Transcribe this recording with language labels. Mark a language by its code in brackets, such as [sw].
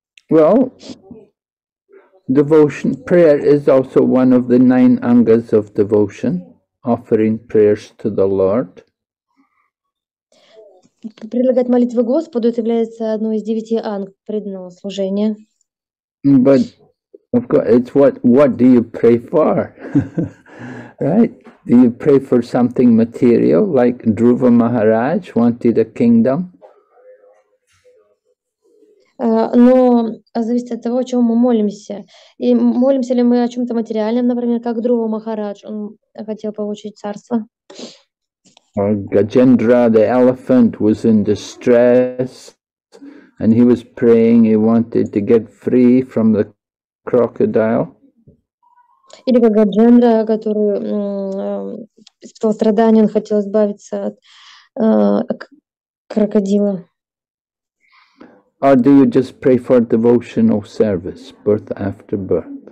[en] Well, devotion, prayer is also one of the nine angas of devotion, offering prayers to the Lord. [ru] Предлагать молитвы Господу является одной из девяти анг преданного служения. [en] But of course, it's what do you pray for, right? Do you pray for something material, like Dhruva Maharaj wanted a kingdom? [ru] Но зависит от того, о чем мы молимся. И молимся ли мы о чем-то материальном, например, как Друва Махарадж, он хотел получить царство. [en] Or Gajendra, the elephant, was in distress, and he was praying, he wanted to get free from the crocodile. [ru] Или как Гаджендра, который испытал страдания, он хотел избавиться от крокодила. [en] Or do you just pray for devotional service, birth after birth?